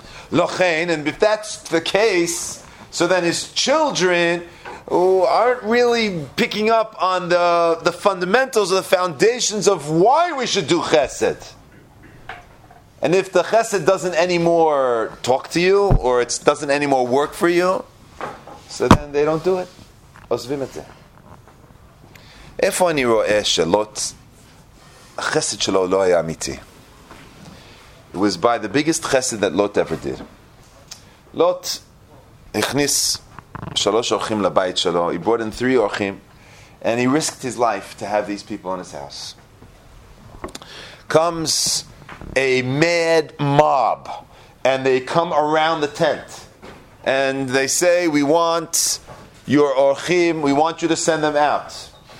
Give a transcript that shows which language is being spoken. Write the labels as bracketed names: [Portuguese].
[English] Lochain, and if that's the case, so then his children aren't really picking up on the fundamentals or the foundations of why we should do chesed. And if the chesed doesn't anymore talk to you, or it doesn't anymore work for you, so then they don't do it. [Hebrew] עוזבים את זה. איפה אני רואה שלוט, החסד שלו לא היה אמיתי? [English] It was by the biggest chesed that Lot ever did. Lot [Hebrew] הכניס שלוש אורחים לבית שלו, [English] he brought in three אורחים, and he risked his life to have these people in his house. Comes a mad mob, and they come around the tent, and they say, we want your orchim, we want you to send them out.